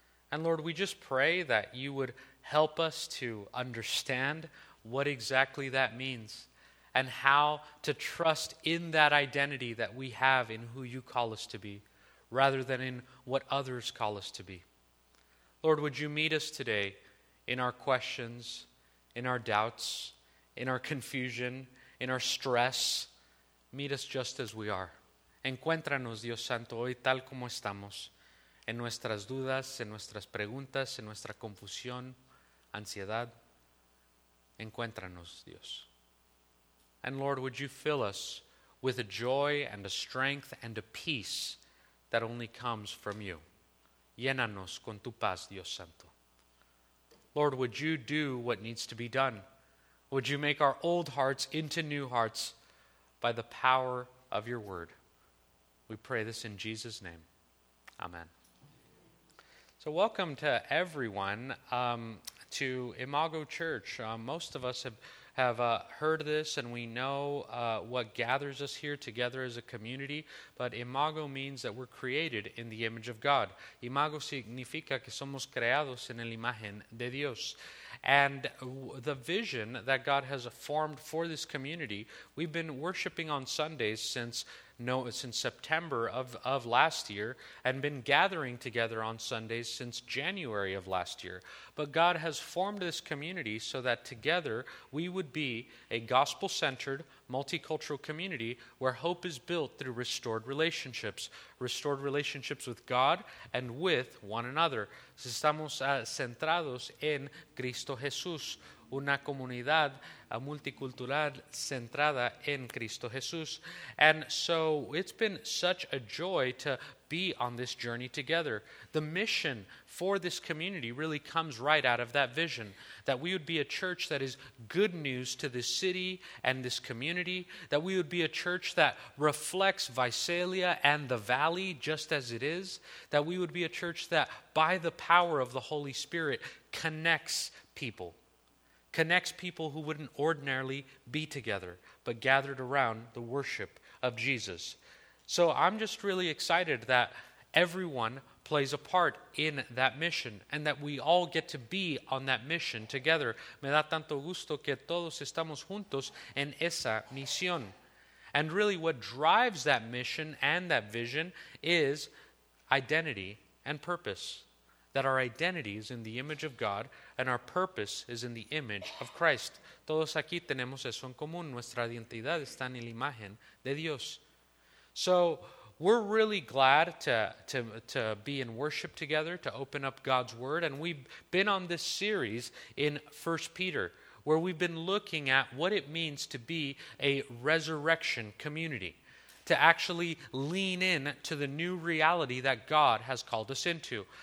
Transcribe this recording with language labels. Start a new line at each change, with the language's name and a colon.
English: And Lord, we just pray that you would help us to understand what exactly that means and how to trust in that identity that we have in who you call us to be rather than in what others call us to be. Lord, would you meet us today in our questions, in our doubts, in our confusion, in our stress? Meet us just as we are.
Spanish: Encuéntranos, Dios Santo, hoy tal como estamos, en nuestras dudas, en nuestras preguntas, en nuestra confusión, ansiedad. Encuéntranos, Dios.
English: And Lord, would you fill us with a joy and a strength and a peace that only comes from you.
Spanish: Llénanos con tu paz, Dios Santo.
English: Lord, would you do what needs to be done? Would you make our old hearts into new hearts by the power of your word? We pray this in Jesus' name. Amen. So welcome to everyone to Imago Church. Most of us have heard this, and we know what gathers us here together as a community, but Imago means that we're created in the image of God.
Spanish: Imago significa que somos creados en la imagen de Dios.
English: And the vision that God has formed for this community, we've been worshiping on Sundays since September of last year, and been gathering together on Sundays since January of last year. But God has formed this community so that together we would be a gospel-centered, multicultural community where hope is built through restored relationships with God and with one another.
Spanish: Estamos centrados en Cristo Jesús, una comunidad multicultural centrada en Cristo Jesús.
English: And so it's been such a joy to be on this journey together. The mission for this community really comes right out of that vision, that we would be a church that is good news to this city and this community, that we would be a church that reflects Visalia and the valley just as it is, that we would be a church that, by the power of the Holy Spirit, connects people who wouldn't ordinarily be together, but gathered around the worship of Jesus. So I'm just really excited that everyone plays a part in that mission and that we all get to be on that mission together.
Spanish: Me da tanto gusto que todos estamos juntos en esa misión.
English: And really what drives that mission and that vision is identity and purpose. That our identity is in the image of God and our purpose is in the image of Christ.
Spanish: Todos aquí tenemos eso en común. Nuestra identidad está en la imagen de Dios.
English: So we're really glad to be in worship together, to open up God's Word. And we've been on this series in 1 Peter, where we've been looking at what it means to be a resurrection community, to actually lean in to the new reality that God has called us into.